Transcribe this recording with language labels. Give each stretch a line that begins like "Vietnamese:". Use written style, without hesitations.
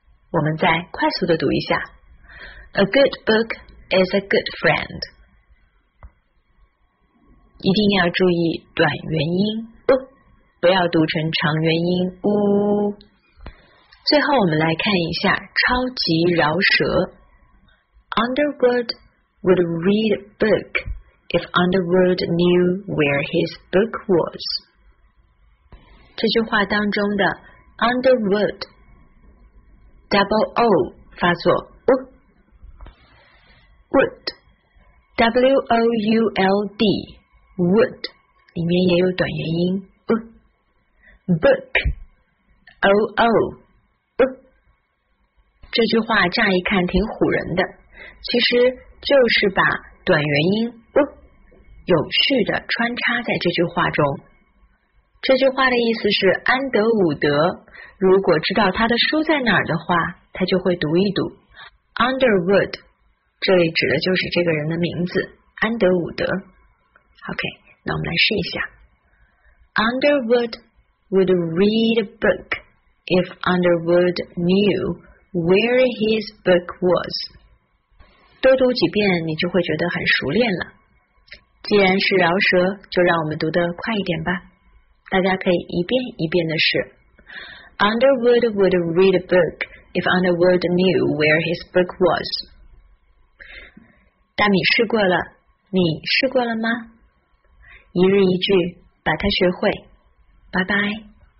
Chinese: 我们再快速的读一下。
English: A good book is a good friend。
Chinese: 一定要注意短元音不，不要读成长元音呜。最后，我们来看一下超级饶舌。
English: Underwood would read a book if Underwood knew where his book was。
Chinese: 这句话当中的 Underwood double O 发作 Wood W-O-U-L-D Wood 里面也有短元音 Book O-O、这句话乍一看挺唬人的，其实就是把短元音 有序的穿插在这句话中。这句话的意思是安德伍德如果知道他的书在哪儿的话，他就会读一读 Underwood， 这里指的就是这个人的名字安德伍德。 OK， 那我们来试一下。
English: Underwood would read a book if Underwood knew where his book was。
Chinese: 多读几遍你就会觉得很熟练了。既然是饶舌，就让我们读得快一点吧。大家可以一遍一遍的试。
English: Underwood would read a book if Underwood knew where his book was。
Chinese: 大米试过了，你试过了吗？一日一句，把它学会。拜拜。